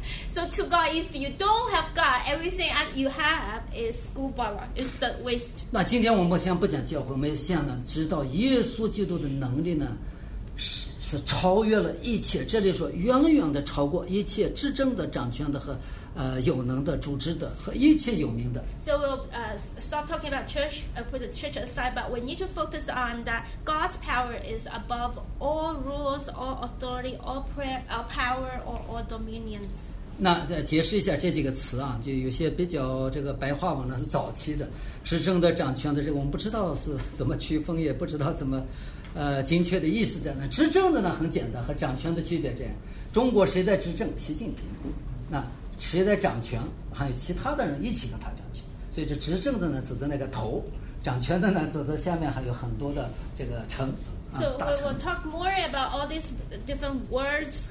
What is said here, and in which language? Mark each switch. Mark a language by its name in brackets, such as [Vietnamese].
[English] So to God, if you don't have God, everything that you have is scubala, is the waste. [Chinese] 那今天我们先不讲教会，我们先呢知道耶稣基督的能力呢是超越了一切。这里说远远的超过一切执政的、掌权的和有能的、主治的和一切有名的。 [English] So we'll stop talking about church, put the church aside, but we need to focus on that God's power is above all rules, all authority, all prayer, all power, or all dominions. [Chinese] 那解释一下这几个词啊，就有些比较这个白话文呢是早期的，执政的、掌权的，这个我们不知道是怎么区分，也不知道怎么，精确的意思在哪。执政的呢很简单，和掌权的区别这样：中国谁在执政？习近平。那谁在掌权？还有其他的人一起跟他掌权。所以这执政的呢指的那个头，掌权的呢指的下面还有很多的这个城。 [English] So we will talk more about all these different words.